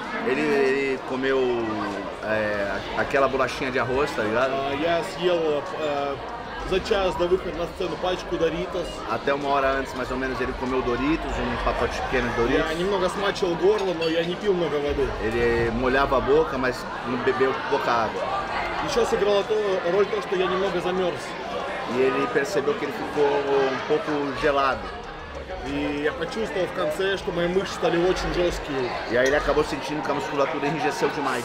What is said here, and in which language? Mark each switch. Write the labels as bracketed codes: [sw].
[pt] Ele comeu aquela bolachinha de arroz, tá ligado? [ru] Я съел за час до выхода на сцену пачку Doritos. [pt] Até uma hora antes, mais ou menos, ele comeu Doritos, um pacote pequeno de Doritos. [ru] Я немного смачивал горло, но я не пил много воды. [pt] Ele molhava a boca, mas não bebeu pouca água. [ru] Еще сыграло роль то, что я немного замерз. [pt] E ele percebeu que ele ficou um pouco gelado. [ru] И я почувствовал в конце, что мои мышцы стали очень жесткие. [pt] И aí ele acabou sentindo que a musculatura enrijeceu demais.